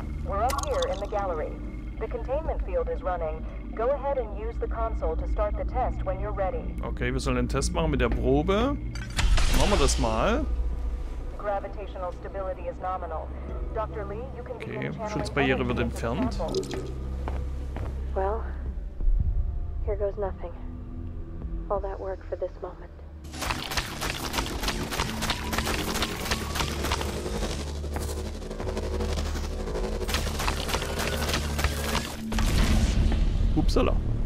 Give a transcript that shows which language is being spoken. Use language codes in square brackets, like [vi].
[en] We're up here in the gallery. The containment field is running. Go ahead and use the console to start the test when you're ready. [de] Okay, wir sollen einen Test machen mit der Probe. Machen wir das mal. [en] Gravitational stability is nominal. Dr. Lee, you can [de] okay, Schutzbarriere wird entfernt. [en] Well, here goes nothing. All that work for this moment. Upsala.